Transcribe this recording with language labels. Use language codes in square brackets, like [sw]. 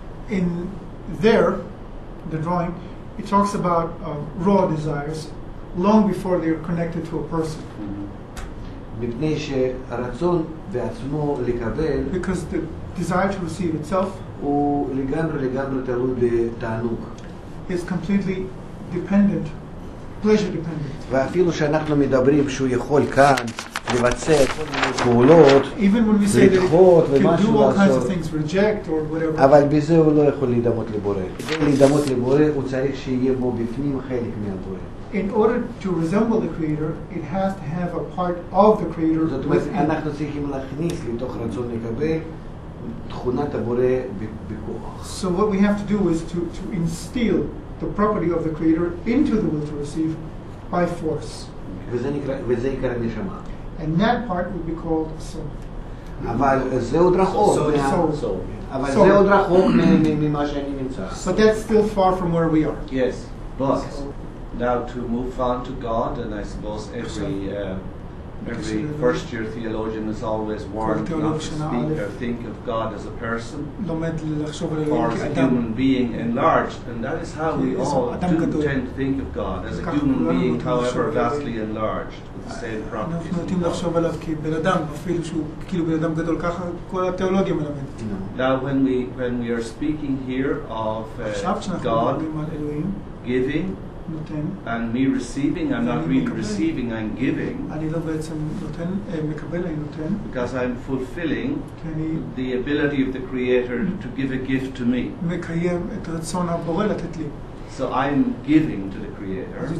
[en] In there, the drawing, it talks about raw desires long before they are connected to a person. Because [he] הרצון בעצמו לקבל, [en] because the desire to receive itself, [he] לגמרי תלוי בתענוג, [en] is completely dependent, pleasure dependent. [he] ואפילו שאנחנו מדברים שהוא יכול כאן לבצע כל מיני פעולות, [en] even when we say that it can do all kinds of things, reject or whatever. [he] אבל בזה הוא לא יכול להידמות לבורא. כדי להידמות לבורא, הוא צריך שיהיה בו בפנים חלק מהבורא. [en] In order to resemble the Creator, it has to have a part of the Creator. [he] זאת אומרת, אנחנו צריכים להכניס לתוך רצון לקבל תכונת הבורא בכוח. [en] So what we have to do is to instill the property of the Creator into the will to receive by force. [he] וזה יקרה נשמה. [en] And that part would be called soul. [he] אבל זה עוד רחוק. [en] Soul. [he] אבל זה עוד רחוק ממה שאני נמצא. [en] But that's still far from where we are. Yes. But now to move on to God, and I suppose every first year theologian is always warned not to speak or think of God as a person or as a human being enlarged. And that is how we all do tend to think of God, as a human being, however vastly enlarged. [he] אנחנו נוטים לחשוב עליו כבן אדם, אפילו שהוא כאילו בן אדם גדול, ככה כל התיאולוגיה מלמדת. [en] Now when we are speaking here of God giving and me receiving, I'm not really receiving, I'm giving. [he] אני לא בעצם נותן, מקבל, אני נותן. [en] Because I'm fulfilling the ability of the Creator to give a gift to me. [he] מקיים את רצון הבורא לתת לי. [en] So I'm giving to the Creator.